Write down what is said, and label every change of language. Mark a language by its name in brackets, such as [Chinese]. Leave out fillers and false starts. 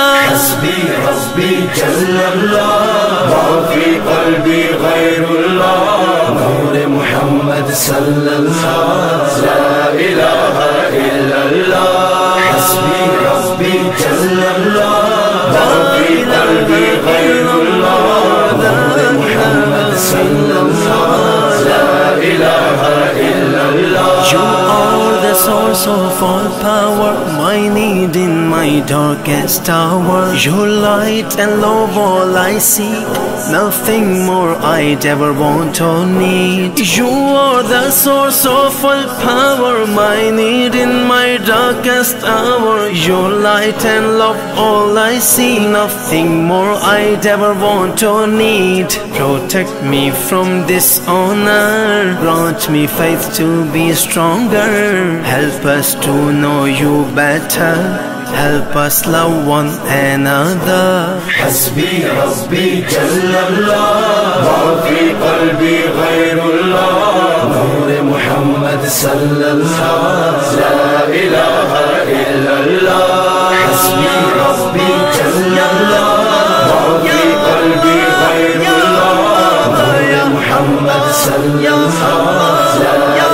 [Arabic] حسبی ربی جل اللہ ما فی قلبی غیر اللہ نور محمد صلی اللہ لا الہ الا اللہ حسبی ربی جل اللہ ما فی قلبی غیر اللہ نور محمد صلی اللہ لا الہ الا اللہ [English] Source of all power, my need in my darkest hour. Your light and love all I seek. Nothing more I'd ever want or need. You are the source of all power, my need in my darkest hour. Your light and love all I see. Nothing more I'd ever want or need. Protect me from dishonor. Grant me faith to be stronger. Help us to know you better. Help us love one another. [Arabic] حسبی ربی جل اللہ ما فی قلبی غیر اللہ نور محمد صلی اللہ لا الہ الا اللہ حسبی ربی جل اللہ ما فی قلبی غیر اللہ نور محمد صلی اللہ